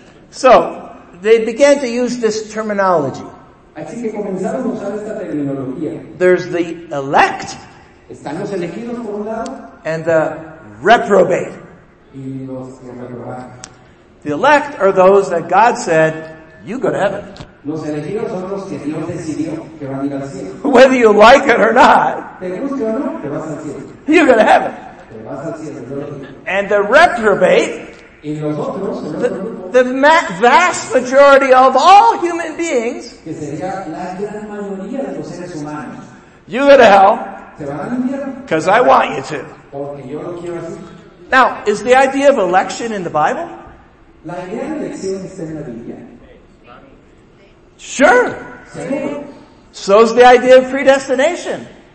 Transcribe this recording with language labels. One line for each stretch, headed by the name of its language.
English: So, they began to use this terminology.
Spanish: Así que comenzaron a usar esta terminología.
English: There's the elect.
Spanish: Están los elegidos por un lado.
English: And the reprobate.
Spanish: Y los que reprobaron.
English: The elect are those that God said, you go to heaven.
Spanish: Los elegidos son los que Dios decidió que van a ir al cielo.
English: Whether you like it or not.
Spanish: Te guste o no, te vas al cielo.
English: You go to heaven.
Spanish: Te vas al cielo.
English: And the reprobate.
Spanish: Y los otros,
English: the vast majority of all human beings.
Spanish: Que sería la gran mayoría de los seres humanos.
English: You go to hell.
Spanish: Te van al infierno.
English: Because I want you to.
Spanish: Porque yo lo quiero así.
English: Now, is the idea of election in the Bible?
Spanish: La idea de elección está en la Biblia.
English: Sure. So's the idea of predestination.